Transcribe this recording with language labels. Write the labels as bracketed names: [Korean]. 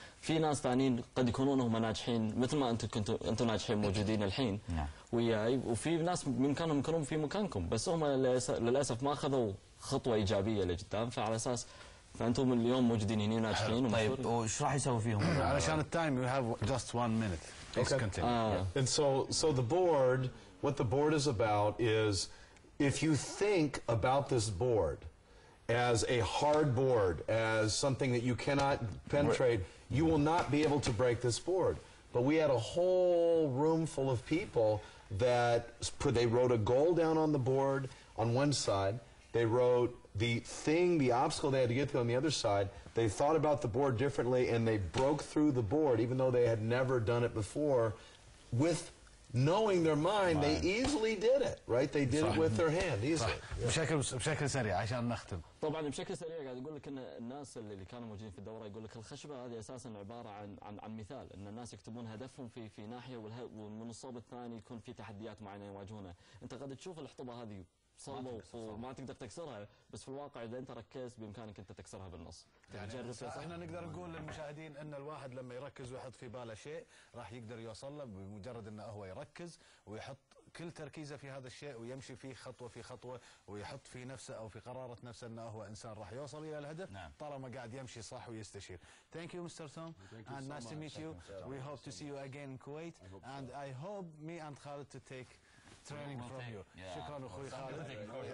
[Arabic] في ناس ثانيين قد يكونون هم ناجحين مثل ما انتم ناجحين موجودين الحين وياي وفي ناس بامكانهم يكونون في مكانكم بس هم للاسف ما اخذوا خطوه ايجابيه لقدام فعلى اساس فانتم اليوم موجودين هنا ناجحين طيب وش راح يسوي فيهم؟ [English] علشان التايم you have just 1 minute بس continue and so the board what the board is about is if you think about this board as a hard board, as something that you cannot penetrate, you will not be able to break this board. But we had a whole room full of people that put, they wrote a goal down on the board on one side, they wrote the thing, the obstacle they had to get through on the other side, they thought about the board differently and they broke through the board even though they had never done it before with knowing their mind, they easily did it, right? They did it with their hand, easily. [Arabic] بشكل سريع عشان نختم. طبعا بشكل سريع قاعد اقول لك ان الناس اللي كانوا موجودين في الدوره يقول لك الخشبه هذه اساسا عباره عن عن عن مثال ان الناس يكتبون هدفهم في ناحيه ومن الصوب الثاني يكون في تحديات معينه يواجهونها. انت قد تشوف الحطبه هذه صلبة وما تقدر تكسرها بس في الواقع اذا انت ركزت بامكانك انت تكسرها بالنص. احنا نقدر نقول للمشاهدين ان الواحد لما يركز ويحط في باله شيء راح يقدر يوصل له بمجرد انه هو يركز ويحط كل تركيزه في هذا الشيء ويمشي فيه خطوه في خطوه ويحط في نفسه او في قراره نفسه انه هو انسان راح يوصل الى الهدف طالما قاعد يمشي صح ويستشير. [English] Thank you Mr. Tom and nice to meet you. We hope to see you again in Kuwait and I hope me and Khalid to take training from you. [Arabic] شكرا اخوي خالد.